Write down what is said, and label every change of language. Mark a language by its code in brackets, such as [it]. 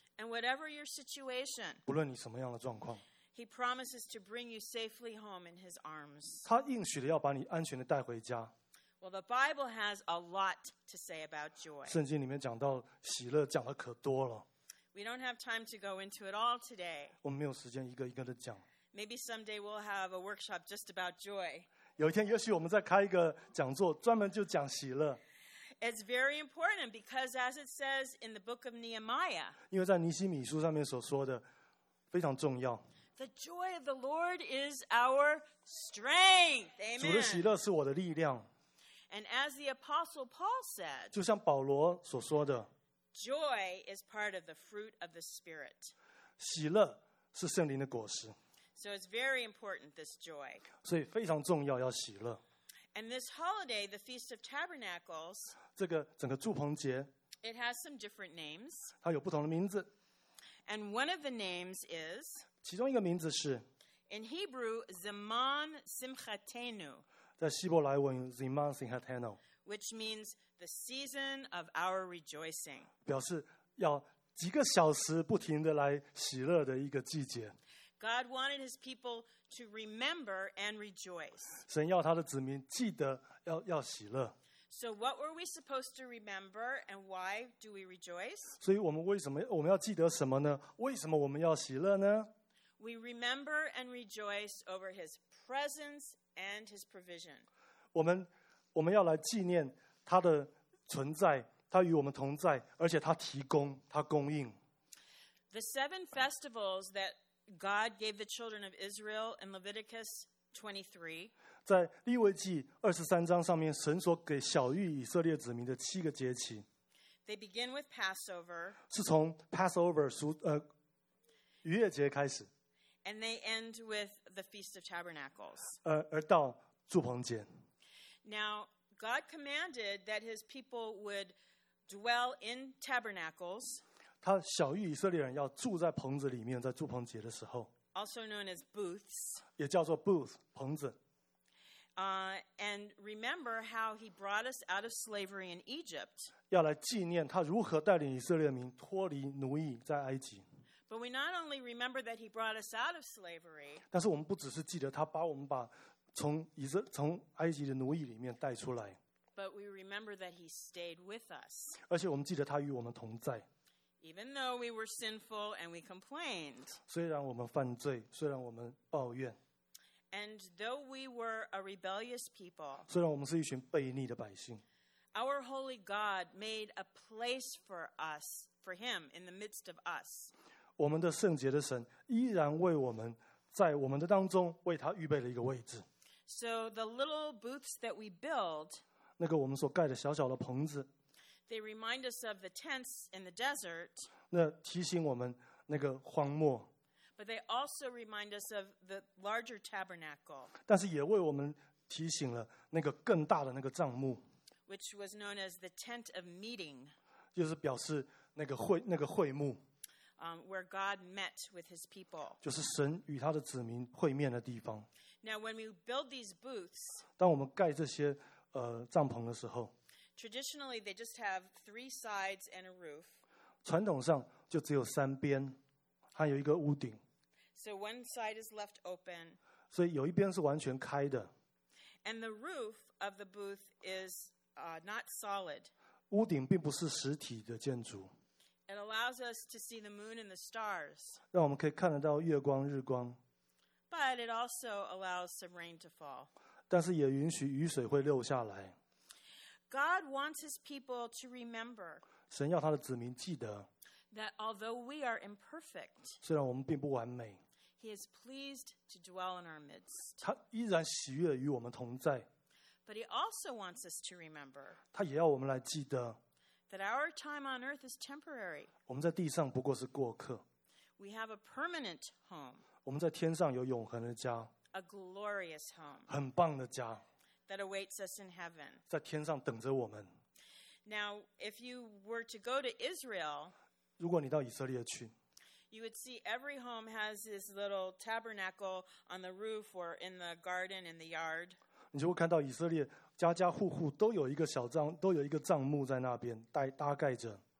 [en] And whatever your situation, [zh] 不论你什么样的状况, [en] He promises to bring you safely home in His arms. [zh] 他应许了要把你安全的带回家。 [en] Well, the Bible has a lot to say about joy. [zh] 圣经里面讲到喜乐讲的可多了。 [en] We don't have time to go into it all today. [zh] 我们没有时间一个一个的讲。 [en] Maybe someday we'll have a workshop just about joy. [zh] 有一天也许我们再开一个讲座专门就讲喜乐。 [en] It's very important because as it says in the book of Nehemiah, [zh] 因为在尼希米书上面所说的非常重要。 [en] The joy of the Lord is our strength. Amen. [zh] 主的喜乐是我的力量。 [en] And as the Apostle Paul said, [zh] 就像保罗所说的, [en] joy is part of the fruit of the Spirit. [zh] 喜乐是圣灵的果实。 [en] So it's very important, this joy. [zh] 所以非常重要要喜乐。 [en] And this holiday, the Feast of Tabernacles, [zh] 这个整个祝棚节, [en] it has some different names. [zh] 它有不同的名字。 [en] And one of the names is, [zh] 其中一个名字是, [en] in Hebrew, Zaman Simchatenu, [zh] 在希伯来文, Zaman Simchatenu, [en] which means the season of our rejoicing. [zh] 表示要几个小时不停地来喜乐的一个季节。 [en] God wanted his people to remember and rejoice. [zh] 神要他的子民记得 要喜乐。 [en] So what were we supposed to remember and why do we rejoice? [zh] 所以我们为什么我们要记得什么呢？为什么我们要喜乐呢？ [en] We remember and rejoice over his presence and his provision. [zh] 我们要来纪念他的存在，他与我们同在，而且他提供，他供应。 [en] The seven festivals that God gave the children of Israel in Leviticus 23. [zh] 在利未记二十三章上面，神所给小谕以色列子民的七个节期。 [en] They begin with Passover. [zh] 是从 Passover 逾越节开始。 [en] And they end with the Feast of Tabernacles. [zh] 而到祝棚节。 [en] Now God commanded that His people would dwell in tabernacles. [zh] 他小谕以色列人要住在棚子里面，在祝棚节的时候。 [en] Also known as booths. [zh] 也叫做 booth, 棚子。 [en] And remember how he brought us out of slavery in Egypt. [zh] 要来纪念他如何带领以色列民脱离奴役在埃及。 [en] But we not only remember that he brought us out of slavery. [zh] 但是我们不只是记得他把我们把从埃及的奴役里面带出来。 [en] But we remember that he stayed with us. [zh] 而且我们记得他与我们同在。 [en] Even though we were sinful and we complained. [zh] 虽然我们犯罪，虽然我们抱怨。 [en] And though we were a rebellious people. [zh] 虽然我们是一群悖逆的百姓。 [en] Our holy God made a place for us, for him, in the midst of us. [zh] 我们的圣洁的神依然为我们，在我们的当中为他预备了一个位置。 [en] So the little booths that we build. [zh] 那个我们所盖的小小的棚子。 [en] They remind us of the tents in the desert. [zh] 那提醒我们那个荒漠。 [en] But they also remind us of the larger tabernacle. [zh] 但是也为我们提醒了那个更大的那个帐幕。 [en] Which was known as the tent of meeting. [zh] 就是表示那个会幕。 [en] Where God met with his people. [zh] 就是神与他的子民会面的地方。 [en] Now when we build these booths. [zh] 当我们盖这些帐篷的时候。 [en] Traditionally, they just have three sides and a roof. [zh] 传统上就只有三边，还有一个屋顶。 [en] So one side is left open. [zh] 所以有一边是完全开的。 [en] And the roof of the booth is not solid. [zh] 屋顶并不是实体的建筑。 [en] It allows us to see the moon and the stars. [zh] 让我们可以看得到月光、日光。 [en] But it also allows some rain to fall. [zh] 但是也允许雨水会流下来。 [en] God wants his people to remember [zh] 神要他的子民记得 [en] that although we are imperfect, [zh] 虽然我们并不完美, [en] He is pleased to dwell in our midst. [zh] 他依然喜悦与我们同在。 [en] But he also wants us to remember. [zh] 他也要我们来记得。 [en] That our time on earth is temporary. [zh] 我们在地上不过是过客。 [en] We have a permanent home. [zh] 我们在天上有永恒的家。 [en] A glorious home. [zh] 很棒的家。 [en] That awaits us in heaven. [zh] 在天上等着我们。 [en] Now, if you were to go to Israel, [zh] 如果你到以色列去。 [en] You would see every home has this little tabernacle on the roof or in the garden in the yard. [zh] 你就会看到以色列家家户户都有一个小帐，都有一个帐幕在那边搭盖着。